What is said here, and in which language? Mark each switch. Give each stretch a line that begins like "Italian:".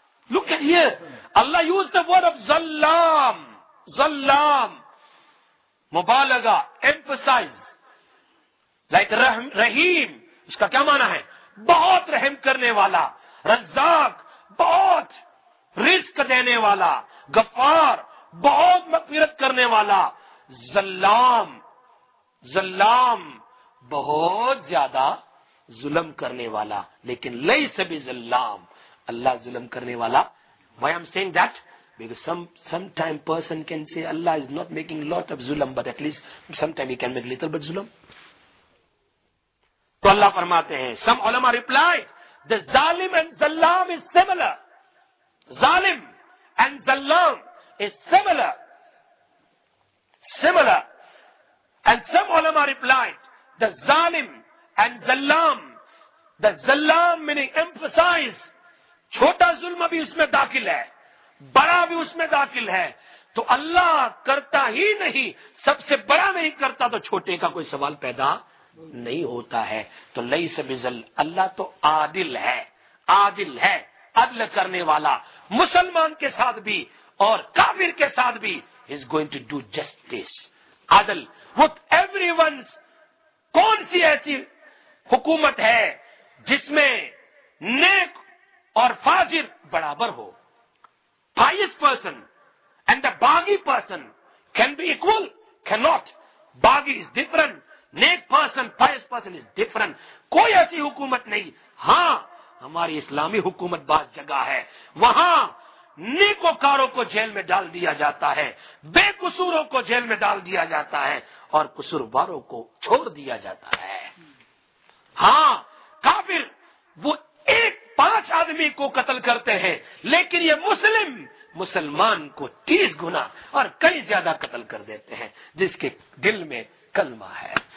English: look at here,
Urdu: Allah
English: uses the word of
Urdu: ظلام, ظلام, مبالغہ, emphasize, like رحم, رحیم, اس کا کیا معنی ہے؟ بہت رحم کرنے والا, رزاق, بہت رزق دینے والا, غفار, بہت مغفرت کرنے والا. ظلام, ظلام, بہت زیادہ ظلم کرنے والا, لیکن لیس بظلام, اللہ ظلم کرنے والا.
English: Why I'm saying that? Because sometime person can say Allah is not making lot of ظلم, but at least sometime he can make little bit ظلم.
Urdu: تو اللہ فرماتے ہیں,
English: some علماء replied, the ظالم and ظلام is similar. ظالم and ظلام is similar. Similar. And some علماء replied, the ظالم and ظلام, the ظلام meaning emphasize,
Urdu: چھوٹا ظلم بھی اس میں داخل ہے, بڑا بھی اس میں داخل ہے, تو اللہ کرتا ہی نہیں, سب سے بڑا نہیں کرتا تو چھوٹے کا کوئی سوال پیدا نہیں ہوتا ہے. تو لیس بذل, اللہ تو عادل ہے, عادل ہے, عدل کرنے والا مسلمان کے ساتھ بھی اور کافر کے ساتھ بھی.
English: He's going to do justice, عدل with everyone.
Urdu: کون سی ایسی حکومت ہے جس میں نیک اور فاجر برابر ہو؟
English: Pious person and the باغی person can be equal? Cannot. باغی is different. نیک person pious person is different.
Urdu: کوئی ایسی حکومت نہیں. ہاں ہماری اسلامی حکومت بعض جگہ ہے, وہاں نیکوکاروں کو جیل میں ڈال دیا جاتا ہے, بے قصوروں کو جیل میں ڈال دیا جاتا ہے اور قصورواروں کو چھوڑ دیا جاتا ہے. ہاں کافر وہ ایک پانچ آدمی کو قتل کرتے ہیں, لیکن یہ مسلم مسلمان کو 30 گنا اور کئی زیادہ قتل کر دیتے ہیں جس کے دل میں کلمہ ہے.